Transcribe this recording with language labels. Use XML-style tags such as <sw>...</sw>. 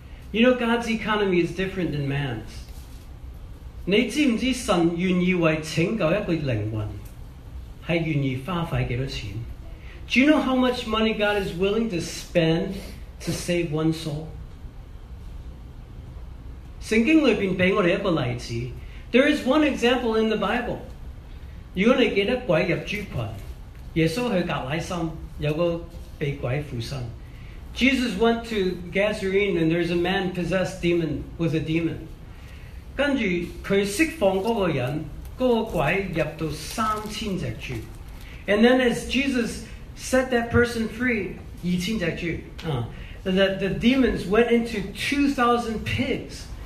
<en>you know God's economy is different than man's.</en> <zh>你知不知神愿意为拯救一个灵魂，是愿意花费几多钱？</zh> <en>Do you know how much money God is willing to spend to save one soul?</en> <zh>圣经里面给我们一个例子，</zh> <en>there is one example in the Bible.</en> <zh>如果你记得鬼入猪群，耶稣去格拉森，有个被鬼附身。</zh> <en>Jesus went to Gazarene and there's a man possessed demon with a demon.</en> <zh>跟住他释放那个人，那个鬼入到3000只猪。</zh> <en>And then as Jesus set that person free,</en> <zh>2000只猪,</zh> <en>the demons went into 2,000 pigs.</en>